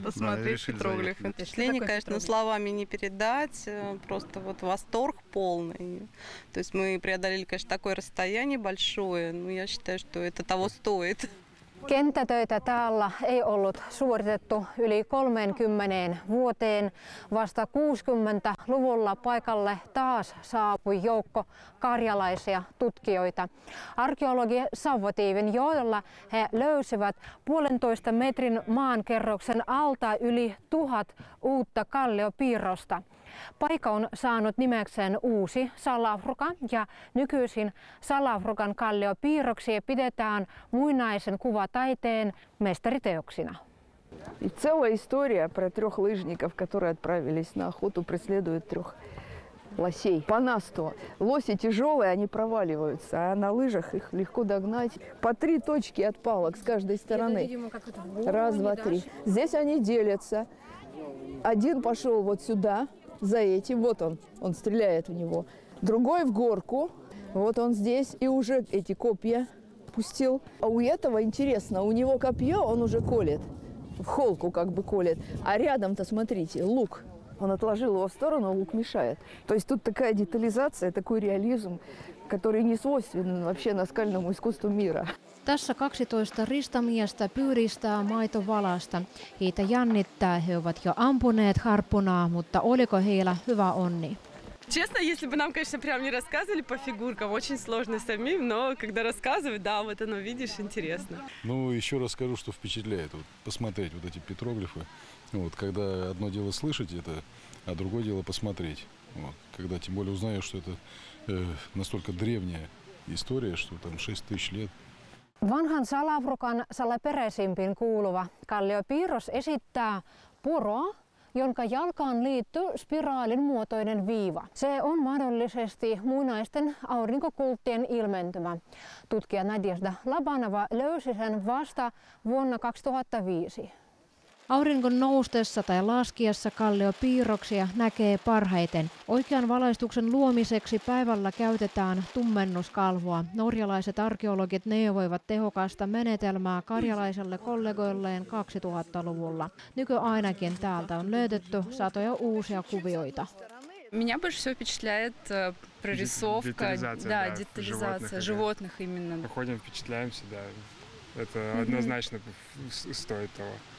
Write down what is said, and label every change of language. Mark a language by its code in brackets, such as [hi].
[ru] Посмотреть петроглифы. Впечатление, конечно, словами не передать. Просто вот восторг полный. То есть мы преодолели, конечно, такое расстояние большое. Но я считаю, что это того стоит. [fi] Kenttätöitä täällä ei ollut suoritettu yli 30 vuoteen. Vasta 60-luvulla paikalle taas saapui joukko karjalaisia tutkijoita. Arkeologi Savo Tiivin joilla he löysivät 1,5 metrin maankerroksen alta yli 1000 uutta kalliopiirrosta. Paikka on saanut nimekseen Uusi Salavruka ja nykyisin Salavrukan kalliopiirroksia pidetään muinaisen kuvataiteen mestariteoksina. [ru] И целая история про трех лыжников, которые отправились на охоту, преследуют трех лосей. По насту. Лоси тяжелые, они проваливаются, а на лыжах их легко догнать. По три точки от палок с каждой стороны. Раз, два, три. Здесь они делятся. Один пошел вот сюда. За этим, вот он стреляет в него. Другой в горку, вот он здесь, и уже эти копья пустил. А у этого интересно, у него копье, он уже колет, в холку как бы колет. А рядом-то, смотрите, лук. Он отложил его в сторону, лук мешает. То есть тут такая детализация, такой реализм, который не свойственен вообще наскальному искусству мира. [fi] Tässä 12 ristamiestä pyyristää maitovalasta. Heitä jännittää, he ovat jo ampuneet harppunaa, mutta oliko heillä hyvä onni? [ru] Честно, если бы нам, конечно, прям не рассказывали по фигуркам, очень сложно самим, но когда рассказывают, да, вот оно, видишь, интересно. Ну, еще раз скажу, что впечатляет вот, посмотреть вот эти петроглифы. Вот, когда одно дело слышать это, а другое дело посмотреть. Вот, когда тем более узнаешь, что это настолько древняя история, что там 6 тысяч лет. [fi] Vanhan Salavrukan salaperäisimpiin kuuluva kalliopiirros esittää puroa, jonka jalkaan liittyy spiraalin muotoinen viiva. Se on mahdollisesti muinaisten aurinkokulttien ilmentymä. Tutkija Nadežda Labanova löysi sen vasta vuonna 2005. Auringon noustessa tai laskiessa kalliopiirroksia näkee parhaiten. Oikean valaistuksen luomiseksi päivällä käytetään tummennuskalvoa. Norjalaiset arkeologit neuvoivat tehokasta menetelmää karjalaiselle kollegoilleen 2000-luvulla. Nyky ainakin täältä on löydetty satoja uusia kuvioita. [ru] Меня больше всего впечатляет прорисовка, да, детализация животных именно. Походим, впечатляемся, да. Это однозначно стоит того.